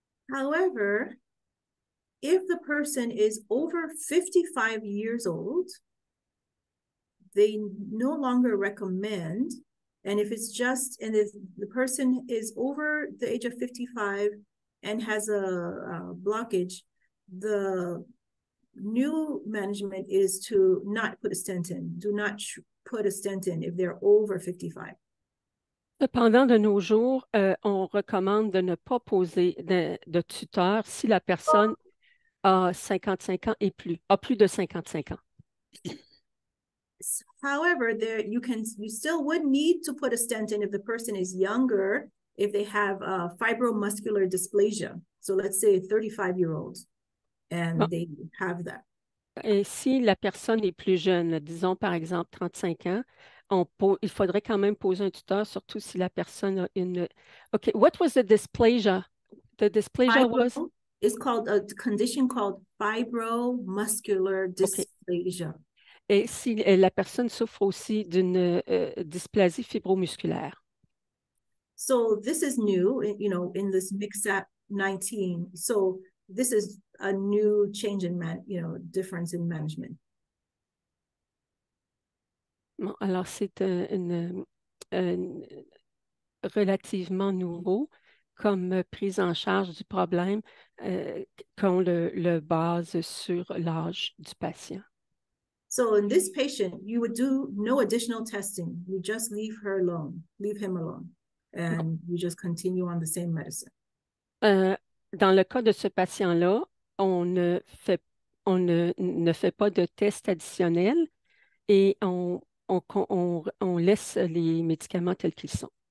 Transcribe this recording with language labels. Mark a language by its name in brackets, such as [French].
[English] However, if the person is over 55 years old, they no longer recommend, and if it's just, and if the person is over the age of 55 and has a blockage, the new management is to not put a stent in. Do not put a stent in if they're over 55. [French] Cependant, de nos jours, on recommande de ne pas poser de tuteur si la personne a 55 ans et plus, a plus de 55 ans. [English] However, you still would need to put a stent in if the person is younger, if they have a fibromuscular dysplasia. So let's say a 35-year-old and they have that. [French] Et si la personne est plus jeune, disons par exemple 35 ans, il faudrait quand même poser un tuteur, surtout si la personne a une. [English] OK, what was the dysplasia was? Fibro is called a condition called fibromuscular OK. dysplasia. [French] Et si la personne souffre aussi d'une dysplasie fibromusculaire? [English] So this is new, in this MCSAP19. So this is a new change in difference in management. [French] Bon, alors, c'est relativement nouveau comme prise en charge du problème quand le base sur l'âge du patient. [English] So in this patient, you would do no additional testing. You just leave her alone, leave him alone, and you just continue on the same medicine. [French] Dans le cas de ce patient-là, on ne fait pas de test additionnel et on laisse les médicaments tels qu'ils sont.